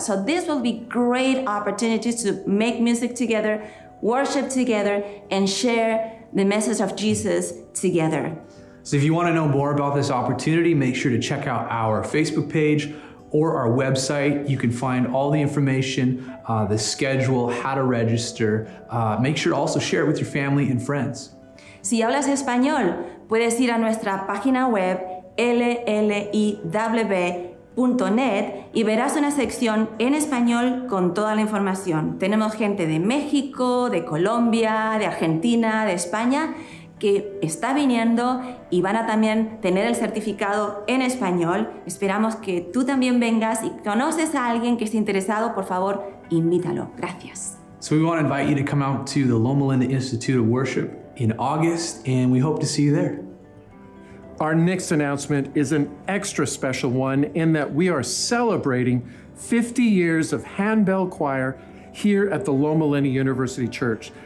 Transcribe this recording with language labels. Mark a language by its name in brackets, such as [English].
[English] So this will be great opportunities to make music together, worship together, and share the message of Jesus together. So if you want to know more about this opportunity, make sure to check out our Facebook page or our website. You can find all the information, the schedule, how to register. Make sure to also share it with your family and friends. [Spanish] Si hablas español, puedes ir a nuestra página web LLUC.net y verás una sección en español con toda la información. Tenemos gente de México, de Colombia, de Argentina, de España, que está viniendo y van a también tener el certificado en español. Esperamos que tú también vengas y conoces a alguien que esté interesado, por favor, invítalo. Gracias. [English] So we want to invite you to come out to the Loma Linda Institute of Worship in August, and we hope to see you there. Our next announcement is an extra special one in that we are celebrating 50 years of handbell choir here at the Loma Linda University Church.